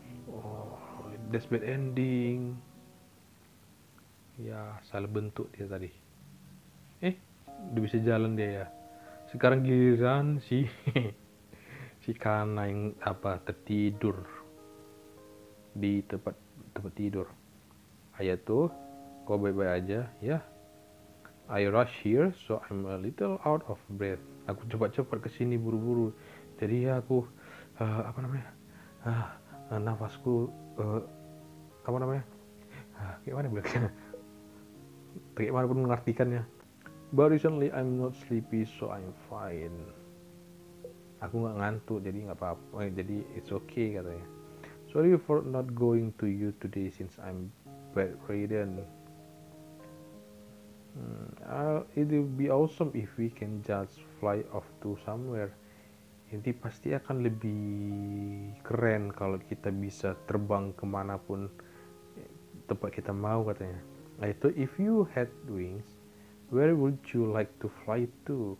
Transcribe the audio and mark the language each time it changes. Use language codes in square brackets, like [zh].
[en] Oh, that's bad ending. [id] Ya, salah bentuk dia tadi. Eh, udah bisa jalan dia ya. Sekarang giliran sih. Si Kana yang apa tertidur di tempat tempat tidur. Ayah tuh, kau baik-baik aja ya. [en] I rush here so I'm a little out of breath. [id] Aku cepat-cepat ke sini buru-buru. Jadi aku apa namanya? Nafasku apa namanya? Gimana bilangnya? Bagaimana pun mengartikannya. [en] But recently I'm not sleepy so I'm fine. [id] Aku nggak ngantuk jadi nggak apa-apa, jadi [en] it's okay [id] katanya. [en] Sorry for not going to you today since I'm bedridden. It will be awesome if we can just fly off to somewhere. [id] Nanti pasti akan lebih keren kalau kita bisa terbang kemanapun tempat kita mau katanya. Nah itu [en] if you had wings, where would you like to fly to?